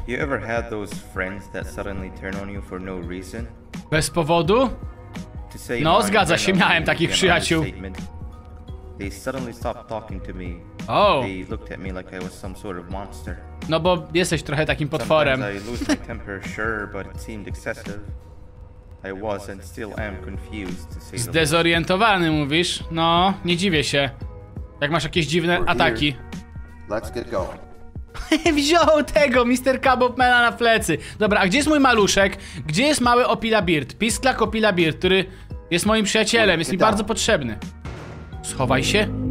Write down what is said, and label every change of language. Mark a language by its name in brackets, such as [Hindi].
[English] You ever had those friends that suddenly turn on you for no reason? [Polish] Bez powodu? No, zgadza się, miałem takich przyjaciół. [English] They suddenly stopped talking to me. Oh. They looked at me like I was some sort of monster. [Polish] No bo jesteś trochę takim potworem. [English] Sometimes I lose my temper, sure, but it seemed excessive. I was and still am confused, to say. [Polish] Zdezorientowany, mówisz? No, nie dziwię się. Jak masz jakieś dziwne ataki. [English] Let's get going. [Polish] Wziął tego Mr. Kabobmana na plecy. Dobra, a gdzie jest mój maluszek? Gdzie jest mały Opila Beard? Pisklak Opila Beard, który jest moim przyjacielem, jest mi bardzo potrzebny. Schowaj się.